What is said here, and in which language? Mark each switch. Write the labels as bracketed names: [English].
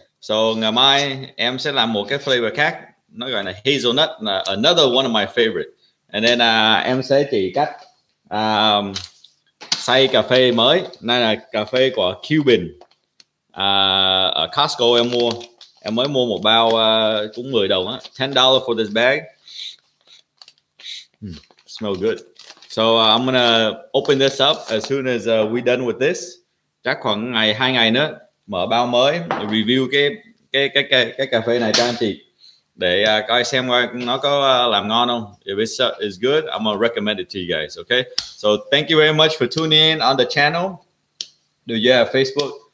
[Vietnamese] So ngày mai em sẽ làm một cái flavor khác. Nó gọi là hazelnut, [English] another one of my favorite. And then [Vietnamese] em sẽ chỉ cách xay cà phê mới. Này là cà phê của Cuban. Ở Costco em mua. Em mới mua một bao cũng 10 đồng á. [English] $10 for this bag. Smell good. So I'm gonna open this up as soon as we done with this. [Vietnamese] Chắc khoảng ngày 2 ngày nữa mở bao mới review cái cà phê này cho anh chị. Để coi xem nó có làm ngon không. [English] If it's is good, I'm gonna recommend it to you guys. Okay, so thank you very much for tuning in on the channel. Do you have Facebook?